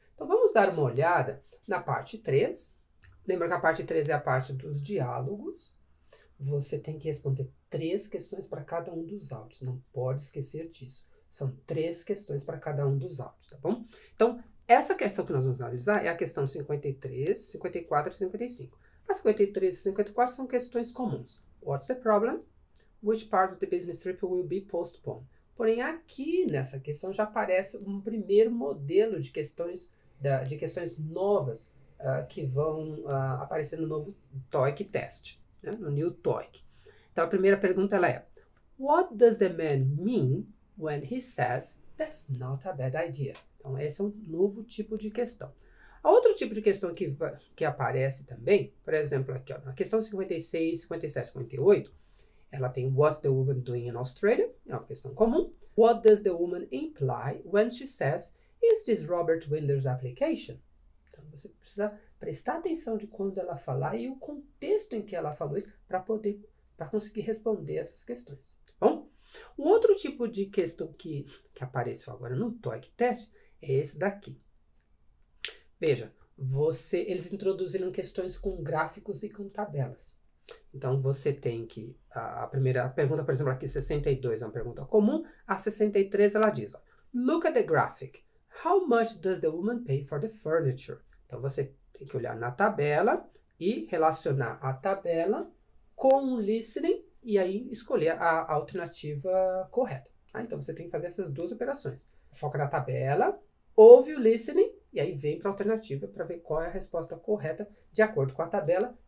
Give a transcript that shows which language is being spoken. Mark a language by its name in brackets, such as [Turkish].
[Portuguese] Então vamos dar uma olhada na parte 3. Lembra que a parte 3 é a parte dos diálogos. Você tem que responder três questões para cada um dos áudios. Não pode esquecer disso. São três questões para cada um dos áudios, tá bom? Então, essa questão que nós vamos analisar é a questão 53, 54 e 55. As 53 e 54 são questões comuns. [English] What's the problem? Which part of the business trip will be postponed? [Portuguese] Porém, aqui nessa questão já aparece um primeiro modelo de questões novas que vão aparecer no novo TOEIC teste, né? No New TOEIC. Então, a primeira pergunta ela é: [English] What does the man mean when he says that's not a bad idea? [Portuguese] Então, esse é um novo tipo de questão. A outro tipo de questão que aparece também, por exemplo, aqui, ó, na questão 56, 57, 58, ela tem [English] What's the woman doing in Australia? [Portuguese] É uma questão comum. [English] What does the woman imply when she says, Is this Robert Winder's application? [Portuguese] Então você precisa prestar atenção de quando ela falar e o contexto em que ela falou isso para conseguir responder essas questões. Bom, um outro tipo de questão que apareceu agora no TOEIC teste é esse daqui. Veja, eles introduziram questões com gráficos e com tabelas. Então, você tem que. A primeira pergunta, por exemplo, aqui 62 é uma pergunta comum. A 63 ela diz: ó, [English] Look at the graphic. How much does the woman pay for the furniture? [Portuguese] Então, você tem que olhar na tabela e relacionar a tabela com o listening e aí escolher a alternativa correta. Tá? Então, você tem que fazer essas duas operações. Foca na tabela, ouve o listening e aí vem para a alternativa para ver qual é a resposta correta de acordo com a tabela.